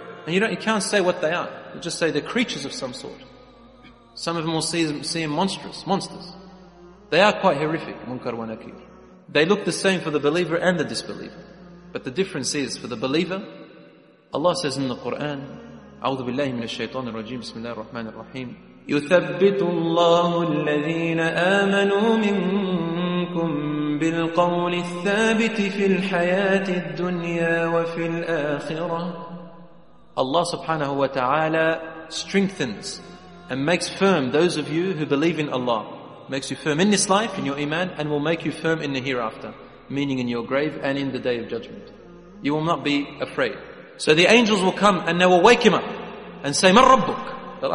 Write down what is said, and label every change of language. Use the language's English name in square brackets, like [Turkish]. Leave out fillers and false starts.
[English] And you can't say what they are. You just say they're creatures of some sort. Some of them will see them monsters. They are quite horrific, Munkar wa Nakir. They look the same for the believer and the disbeliever. But the difference is, for the believer, Allah says in the Quran, [Arabic] أعوذ بالله من الشيطان الرجيم بسم الله الرحمن الرحيم يثبت الله الذين آمنوا منكم بالقول الثابت في الحياة الدنيا وفي الآخرة. [English] Allah subhanahu wa ta'ala strengthens and makes firm those of you who believe in Allah. Makes you firm in this life, in your iman, and will make you firm in the hereafter, meaning in your grave and in the day of judgment. You will not be afraid. So the angels will come and they will wake him up and say, [Arabic] مَا رَبُّكَ?